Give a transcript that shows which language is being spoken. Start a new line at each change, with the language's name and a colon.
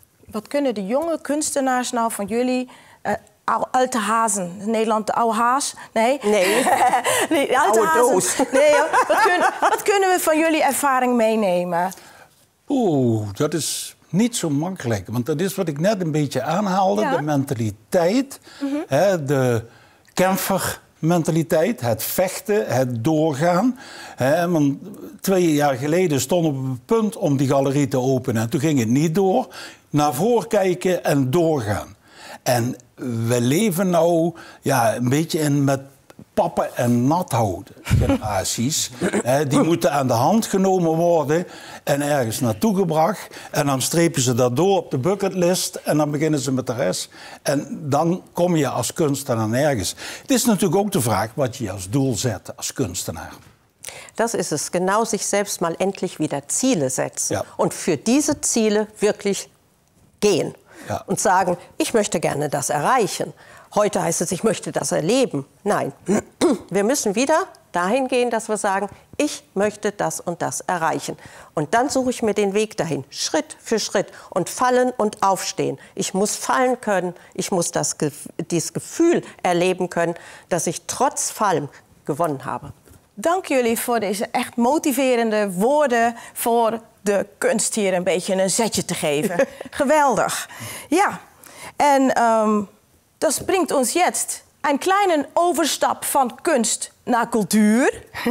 German: Was können die jungen Künstler nou von Juli, alte Hasen,
Dutch: in Nederland de oude haas? Nee? Nee. Nee, alte oude doos. Nee, wat kunnen we van jullie ervaring meenemen? Dat is niet zo makkelijk. Want dat is wat ik net een beetje aanhaalde. Ja. De mentaliteit. Mm-hmm. De kämpfermentaliteit. Het vechten. Het doorgaan. Want 2 jaar geleden stonden we op het punt om die galerie te openen. En toen ging het niet door. Naar voren kijken en doorgaan. En we leven nou ja, een beetje in met pappen en nat houden generaties. Die moeten aan de hand genomen worden en ergens naartoe gebracht. En dan strepen ze dat door op de bucketlist en dan beginnen ze met de rest. En dan kom je als kunstenaar nergens. Het is natuurlijk ook de vraag wat je als doel zet als kunstenaar.
German: Das ist es, genau, sich selbst mal endlich wieder Ziele setzen, ja, und für diese Ziele wirklich gehen, ja, und sagen, ich möchte gerne das erreichen. Heute heißt es, ich möchte das erleben. Nein, wir müssen wieder dahin gehen, dass wir sagen, ich möchte das und das erreichen. Und dann suche ich mir den Weg dahin, Schritt für Schritt, und fallen und aufstehen. Ich muss fallen können, ich muss dieses Gefühl erleben können, dass ich trotz Fallen gewonnen habe.
Dutch: Dank jullie voor deze echt motiverende woorden voor de kunst hier een beetje een zetje te geven. Geweldig. Ja, en dat brengt ons jetzt een kleine overstap van kunst naar cultuur.